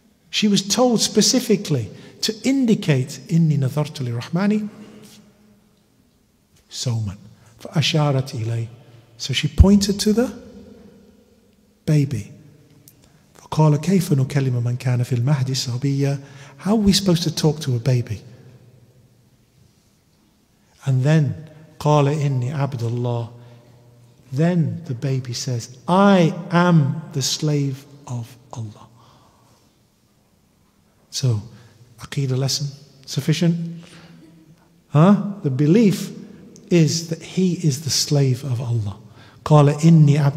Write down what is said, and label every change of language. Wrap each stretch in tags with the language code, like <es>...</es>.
<en>She was told specifically to indicate,</en> <ar>إِنِّي نَذَرْتُ لِرَحْمَانِ سَوْمًا فَأَشَارَتْ إِلَيْهِ.</ar> <en>So she pointed to the baby.</en> <ar>فَقَالَ كَيْفَ نُكَلِّمُ مَنْ كَانَ فِي الْمَهْدِ صَبِيًّا.</ar> <en>How are we supposed to talk to a baby? And then,</en> <ar>قَالَ إِنِّي عَبْدُ اللَّهِ.</ar> <en>Then the baby says, I am the slave of Allah. So, Aqidah lesson, sufficient? Huh? The belief is that he is the slave of Allah.</en> <ar>Qala inni ab.</ar>